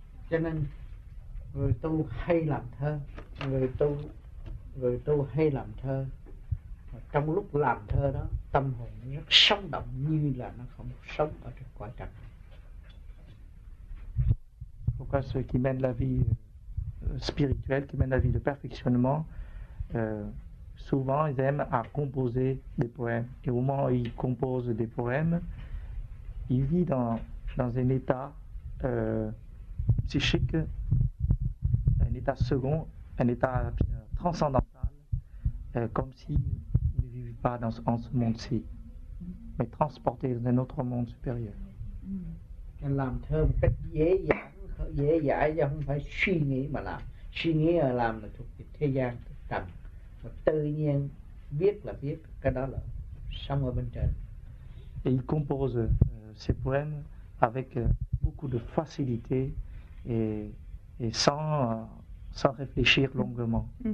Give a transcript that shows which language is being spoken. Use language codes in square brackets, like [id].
[vi] Cho nên người tu hay làm thơ, người tu hay làm thơ. Và trong lúc làm thơ đó, tâm hồn rất sống động như là nó không sống ở trên quả trần. [fr] Pourquoi ceux qui mènent la vie spirituelle, qui mènent la vie de perfectionnement, souvent ils aiment à composer des poèmes. Et au moment où ils composent des poèmes, ils vivent dans un état psychique, un état second, un état transcendantal, comme s'ils ne vivaient pas en ce monde-ci, mais transportés dans un autre monde supérieur. [vi] Et làm thơ một cách dễ dãi chứ không phải suy nghĩ mà làm. Suy nghĩ là làm là thuộc về thế gian thực tầm, mà tự nhiên viết là viết, cái đó là sống ở bên trên. [fr] Et il compose ses poèmes avec beaucoup de facilité et sans réfléchir longuement.